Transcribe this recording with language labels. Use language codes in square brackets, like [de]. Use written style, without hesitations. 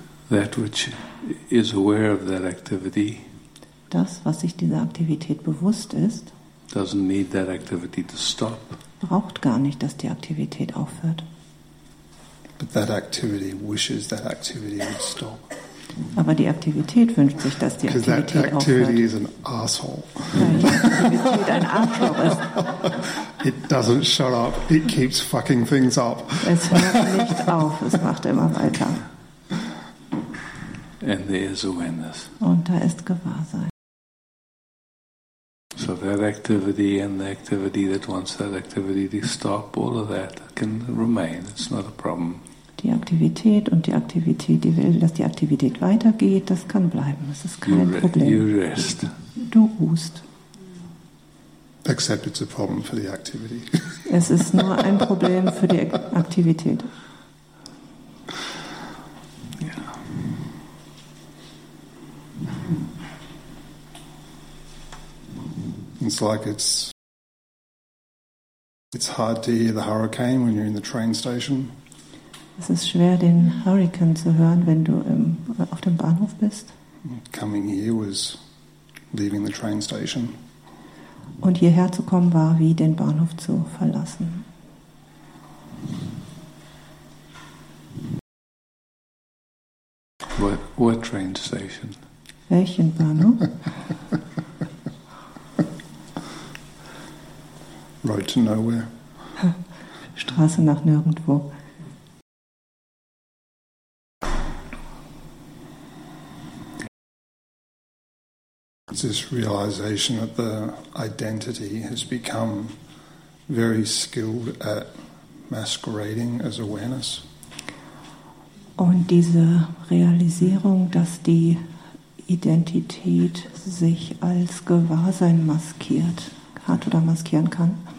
[en] That which is aware of that activity. [de] Das, was sich dieser Aktivität bewusst ist, [en] doesn't need that activity to stop. [de] Braucht gar nicht, dass die Aktivität aufhört. [en] But that activity wishes that activity would stop. [de] Aber die Aktivität wünscht sich, dass die Aktivität aufhört. [en] Because that activity is an asshole. [de] Weil die Aktivität ein Arschloch ist. [en] It doesn't shut up. It keeps fucking things up. [de] Es hört nicht auf. Es macht immer weiter. [en] And there is awareness. [de] Und da ist Gewahrsein. [en] So that activity and the activity that wants that activity to stop, all of that can remain. It's not a problem. [de] die Aktivität und die Aktivität, die will, dass die Aktivität weitergeht, das kann bleiben. Das ist kein Problem. [en] You rest. [de] Du ruhst. [en] Except it's a problem for the activity. [de] Es ist nur ein Problem für die Aktivität. [en] It's like it's hard to hear the hurricane when you're in the train station. [de] Es ist schwer, den Hurrikan zu hören, wenn du auf dem Bahnhof bist. [en] Coming here was leaving the train station. [de] Und hierher zu kommen war wie den Bahnhof zu verlassen. [en] What train station? [de] Welchen Bahnhof? [en] Road to nowhere. [de] Straße nach nirgendwo. [en] It's this realization that the identity has become very skilled at masquerading as awareness. [de] Und diese Realisierung, dass die Identität sich als Gewahrsein maskiert, hat oder maskieren kann.